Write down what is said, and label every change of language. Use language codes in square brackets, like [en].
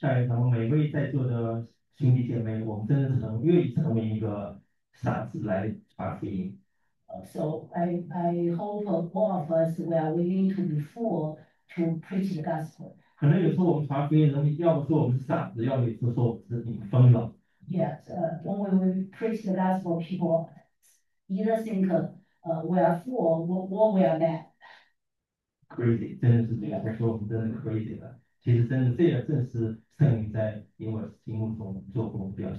[zh] 在我们每位在座的兄弟姐妹，我们真的只能愿意成为一个傻子来传福音。 [en] So I hope all of us we are willing to be fooled to preach the gospel. [zh] 可能有时候我们传福音的时候，要么说我们是傻子，要么有时候说我们是你疯了。 [en] Yes, when we preach the gospel, people either think, we are fool, or we are mad. Crazy, [zh] 真的是这样。他说我们真的 [en] crazy [zh] 了。其实真的，这也正是圣灵在因为心目中做工表现。